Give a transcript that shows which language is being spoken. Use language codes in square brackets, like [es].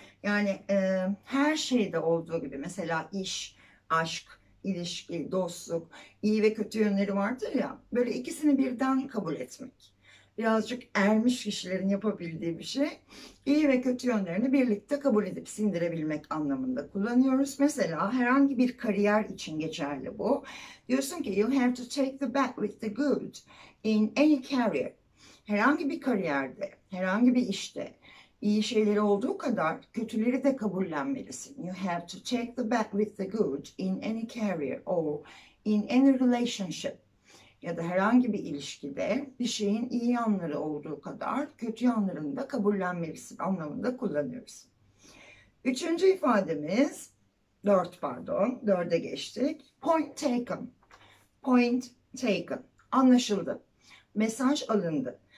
[tr] Yani her şeyde olduğu gibi. Mesela iş, aşk, ilişki, dostluk. İyi ve kötü yönleri vardır ya. Böyle ikisini birden kabul etmek. Birazcık ermiş kişilerin yapabildiği bir şey. İyi ve kötü yönlerini birlikte kabul edip sindirebilmek anlamında kullanıyoruz. Mesela herhangi bir kariyer için geçerli bu. Diyorsun ki [en] you have to take the bad with the good in any career. [tr] Herhangi bir kariyerde, herhangi bir işte iyi şeyleri olduğu kadar kötüleri de kabullenmelisin. [en] You have to take the bad with the good in any career or in any relationship. [tr] Ya da herhangi bir ilişkide bir şeyin iyi yanları olduğu kadar kötü yanlarını da kabullenmelisin anlamında kullanıyoruz. Üçüncü ifademiz, dört pardon, dörde geçtik. [en] Point taken. Point taken. [tr] Anlaşıldı. Mesaj alındı.